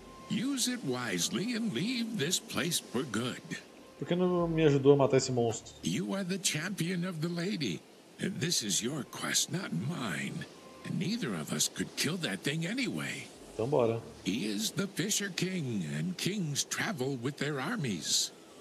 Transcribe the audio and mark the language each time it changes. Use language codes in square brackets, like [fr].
[en] Use it wisely and leave this place for good. [pt] Por que não me ajudou a matar esse monstro? [en] You are the champion of the lady. This is your quest, not mine. And neither of us could kill that thing anyway. [pt] Então bora. [en] He is the Fisher King, and kings travel with their armies.